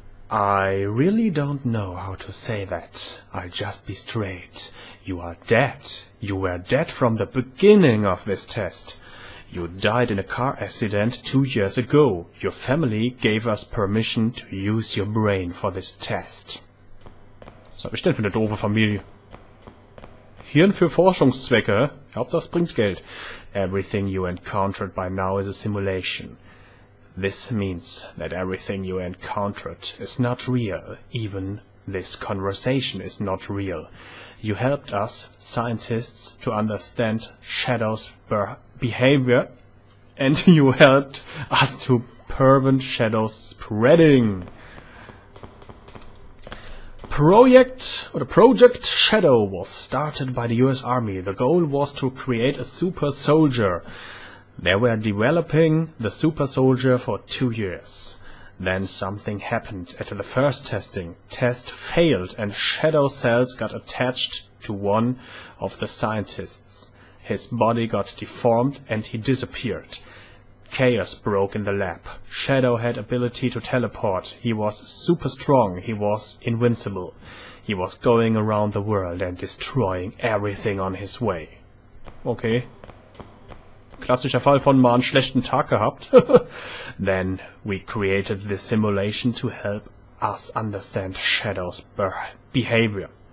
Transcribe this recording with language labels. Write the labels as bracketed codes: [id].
[en] I really don't know how to say that. I'll just be straight. You are dead. You were dead from the beginning of this test. You died in a car accident 2 years ago. Your family gave us permission to use your brain for this test. [de] Was hab ich denn für eine doofe Familie? Hirn für Forschungszwecke? Hauptsache es bringt Geld. [en] Everything you encountered by now is a simulation. This means that everything you encountered is not real. Even this conversation is not real. You helped us, scientists, to understand Shadow's behavior. And you helped us to prevent Shadow's spreading. Project Shadow was started by the US Army. The goal was to create a super soldier. They were developing the super soldier for 2 years. Then something happened at the first testing. Test failed and Shadow cells got attached to one of the scientists. His body got deformed and he disappeared. Chaos broke in the lab. Shadow had ability to teleport. He was super strong. He was invincible. He was going around the world and destroying everything on his way. Okay. [de] Klassischer Fall von mal einen schlechten Tag gehabt. [en] Then we created this simulation to help us understand Shadow's behavior.